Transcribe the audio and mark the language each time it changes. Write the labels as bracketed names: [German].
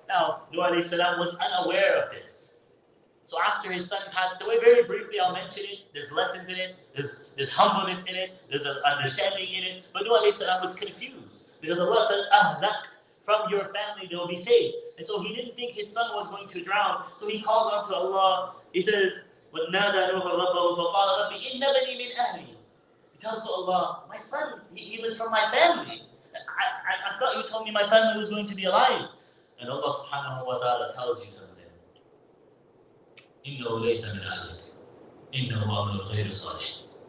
[English] Now, Nuh alayhi salam was unaware of this. So after his son passed away, very briefly I'll mention it, there's lessons in it, there's humbleness in it, there's an understanding in it. But Nuh alayhi salam was confused, because Allah said, Ahlak, from your family they'll be saved. And so he didn't think his son was going to drown. So he calls out to Allah, he says, [Arabic] وَنَادَى نُوحَ رَبَّهُ فَقَالَ رَبِّ إِنَّ بَنِي مِنْ أَهْلِي. [English] He tells to Allah, my son, he was from my family. I thought you told me my family was going to be alive. And Allah subhanahu wa ta'ala tells you something. [Arabic] إِنَّهُ لَيْسَ مِنْ أَهْلِكَ إِنَّهُ أَمْلُ غَيْرُ صَلِحٍ.